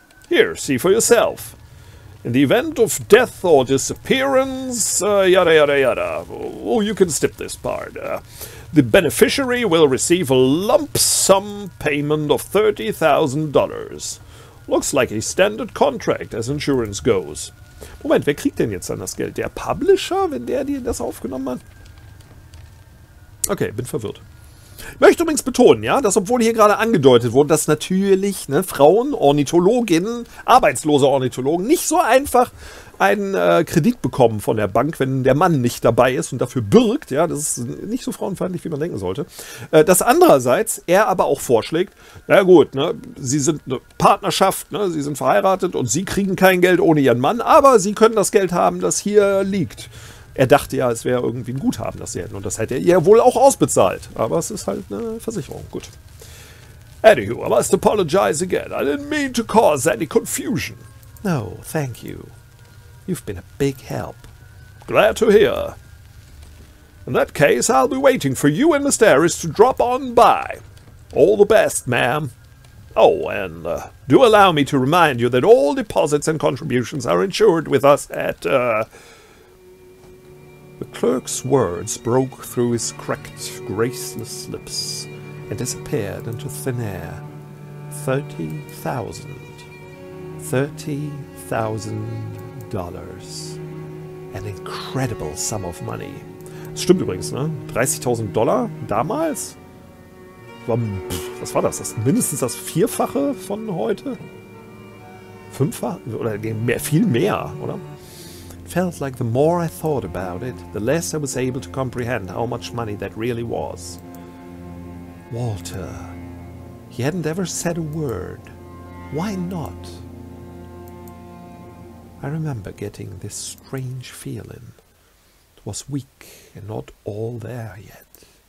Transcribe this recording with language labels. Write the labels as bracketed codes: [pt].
[en] Here, see for yourself. In the event of death or disappearance, yada yada yada. Oh, you can skip this part. The beneficiary will receive a lump sum payment of $30,000. Looks like a standard contract as insurance goes. [de] Moment, wer kriegt denn jetzt dann das Geld? Der Publisher, wenn der dir das aufgenommen hat? Okay, bin verwirrt. Möchte übrigens betonen, ja, dass obwohl hier gerade angedeutet wurde, dass natürlich ne, Frauen, Ornithologinnen, arbeitslose Ornithologen nicht so einfach einen Kredit bekommen von der Bank, wenn der Mann nicht dabei ist und dafür birgt, ja, das ist nicht so frauenfeindlich, wie man denken sollte. Dass andererseits er aber auch vorschlägt, na gut, ne, sie sind eine Partnerschaft, ne, sie sind verheiratet und sie kriegen kein Geld ohne ihren Mann, aber sie können das Geld haben, das hier liegt. Er dachte ja, es wäre irgendwie ein Guthaben, das sie hätten und das hätte er ihr wohl auch ausbezahlt, aber es ist halt eine Versicherung, gut. [en] Anywho, I must apologize again. I didn't mean to cause any confusion. No, thank you. You've been a big help. Glad to hear. In that case, I'll be waiting for you and Mr. Harris to drop on by. All the best, ma'am. Oh, and do allow me to remind you that all deposits and contributions are insured with us at, The clerk's words broke through his cracked, graceless lips and disappeared into thin air. 30,000. 30,000. Dollars. An incredible sum of money. [de] Stimmt übrigens, ne? 30.000 Dollar damals? Was war das? Das ist mindestens das Vierfache von heute? Fünffache? Oder mehr, viel mehr, oder? [en] It felt like the more I thought about it, the less I was able to comprehend how much money that really was. Walter. He hadn't ever said a word. Why not? I remember getting this strange feeling. It was weak and not all there yet.